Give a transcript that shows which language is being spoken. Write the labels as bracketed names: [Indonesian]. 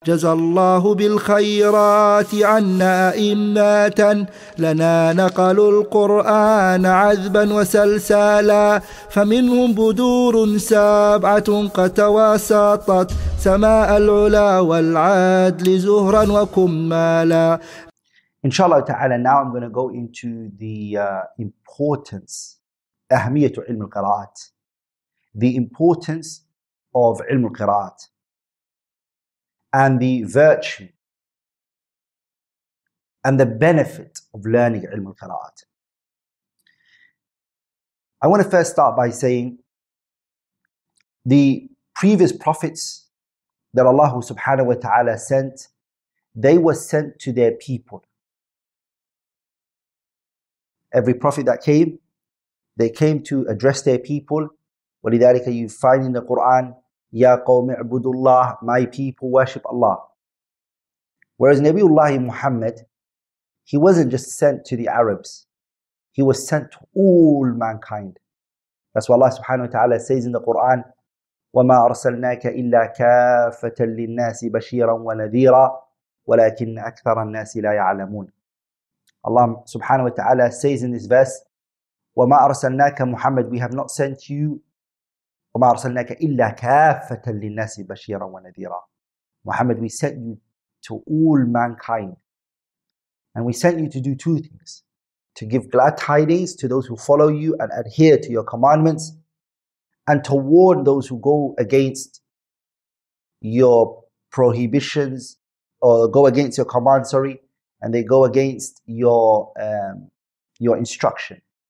[Arabic] جزى الله بالخيرات عنا أئمة لنا نقلوا القرآن عذبا وسلسالا فمنهم بدور سابعة قد تواسطت سماء العلا والعدل زهرا وكمالا. إن شاء الله تعالى. [English] Now I'm going to go into the importance, [Arabic] أهمية علم القراءات, [English] the importance of علم القراءات, and the virtue and the benefit of learning علم القراءات. I want to first start by saying the previous prophets that Allah subhanahu wa ta'ala sent, they were sent to their people. Every prophet that came, they came to address their people. [Arabic] وَلِذَٰلِكَ [English] you find in the Qur'an, [Arabic] يَا قَوْمِ اعْبُدُ اللَّهِ [English] my people worship Allah. Whereas Nabiullah Muhammad, he wasn't just sent to the Arabs. He was sent to all mankind. That's why Allah subhanahu wa ta'ala says in the Qur'an, [Arabic] وَمَا أَرْسَلْنَاكَ إِلَّا كَافَةً لِلنَّاسِ بَشِيرًا وَنَذِيرًا وَلَكِنْ أَكْثَرَ النَّاسِ لَا يَعْلَمُونَ. [English] Allah subhanahu wa ta'ala says in this verse, [Arabic] وَمَا أَرْسَلْنَاكَ مُحَمَّدٍ, [English] we have not sent you, [Arabic] وَمَا أَرْسَلْنَاكَ إِلَّا كَافَةً لِلنَّاسِ بَشِيرًا وَنَذِيرًا. [English] Muhammad, we sent you to all mankind. And we sent you to do two things, to give glad tidings to those who follow you and adhere to your commandments, and to warn those who go against your prohibitions, or go against your command, sorry, and they go against your instruction.